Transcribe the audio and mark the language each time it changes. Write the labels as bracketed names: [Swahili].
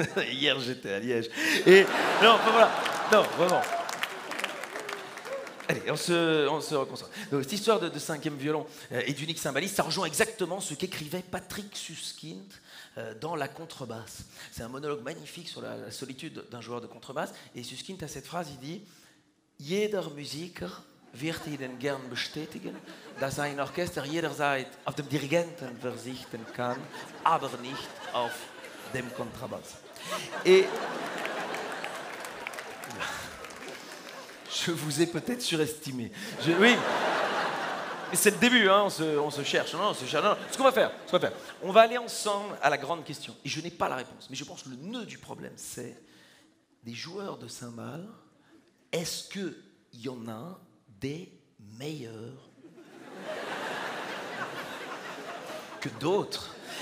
[French] Hier, j'étais à Liège. Et non, enfin, voilà. Non, vraiment. Allez, on se reconcentre. Donc, cette histoire de cinquième violon et d'unique cymbaliste, ça rejoint exactement ce qu'écrivait Patrick Susskind dans La Contrebasse. C'est un monologue magnifique sur la solitude d'un joueur de contrebasse. Et Susskind a cette phrase, il dit « [German] Jeder Musiker wird Ihnen gern bestätigen, dass ein Orchester jederzeit auf dem Dirigenten verzichten kann, aber nicht auf dem Kontrabass. [French] » Et je vous ai peut-être surestimé. Oui. C'est le début, hein, on se cherche. Non. Ce qu'on va faire, on va aller ensemble à la grande question. Et je n'ai pas la réponse, mais je pense que le nœud du problème, c'est des joueurs de cymbales, est-ce qu'il y en a des meilleurs que d'autres?